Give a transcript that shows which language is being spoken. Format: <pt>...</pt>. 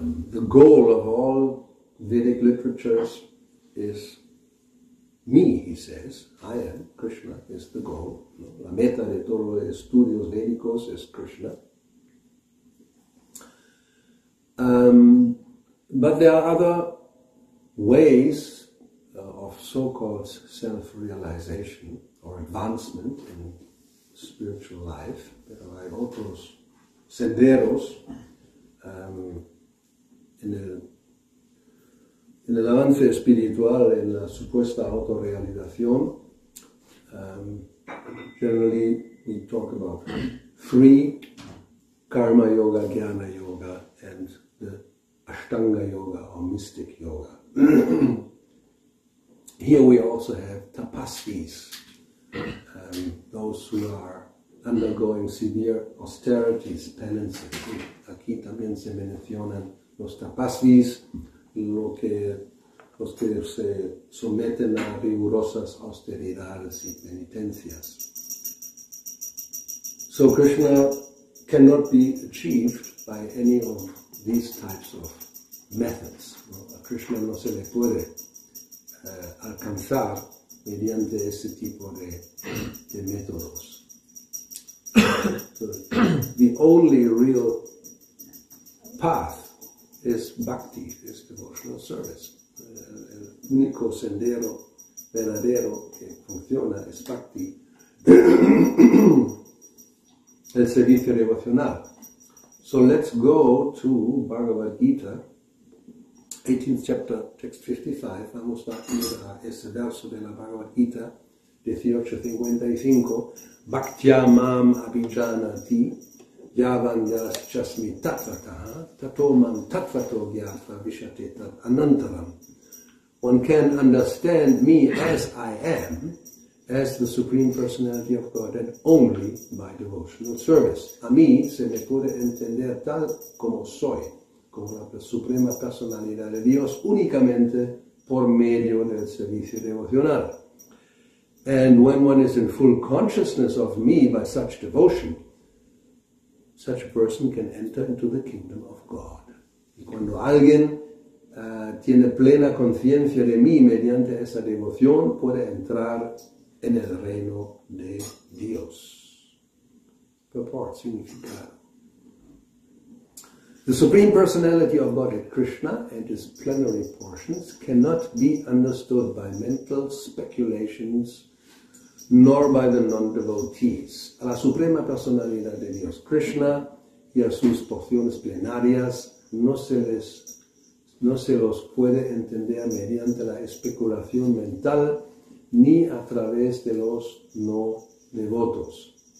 <en>The goal of all Vedic literatures is me, he says. I am Krishna, is the goal.</en> <es>La meta de todos los estudios védicos es Krishna.</es> <en>But there are other ways of so-called self-realization or advancement in spiritual life.</en> <es>Pero hay otros senderos en el avance espiritual, en la supuesta autorrealización.</es> <en>Generally, we talk about three: karma yoga, jnana yoga, and the ashtanga yoga or mystic yoga. Here we also have tapasvis. Those who are undergoing severe austerities, penances.</en> <es>Aquí también se mencionan los tapasvis, los que se someten a rigurosas austeridades y penitencias.</es> <en>So Krishna cannot be achieved by any of these types of methods.</en> <es>A Krishna no se le puede alcanzar mediante ese tipo de métodos.</es> <en>The only real path is bhakti, is devotional service.</en> <es>El único sendero verdadero que funciona es bhakti, el servicio devocional.</es> <en>So let's go to Bhagavad Gita, 18th chapter, text 55.</en> <es>Vamos a ir a ese verso de la Bhagavad Gita, 18.55.</es> <sa>Bhaktya mam abhijanati, yavanyas chasmi tatvataha, tatomam tatvato gyatva vishate tat anantaram.</sa> <en>One can understand me as I am, as the Supreme Personality of God, and only by devotional service.</en> <es>A mí se me puede entender tal como soy, como la suprema personalidad de Dios, únicamente por medio del servicio devocional.</es> <en>And when one is in full consciousness of me by such devotion, such a person can enter into the kingdom of God.</en> <es>Y cuando alguien tiene plena conciencia de mí mediante esa devoción, puede entrar en el reino de Dios.</es> <en>Purport, significado. The Supreme Personality of Godhead Krishna and His plenary portions cannot be understood by mental speculations nor by the non-devotees.</en> <es>A la Suprema Personalidad de Dios Krishna y a sus porciones plenarias no se los puede entender mediante la especulación mental ni a través de los no-devotos.</es>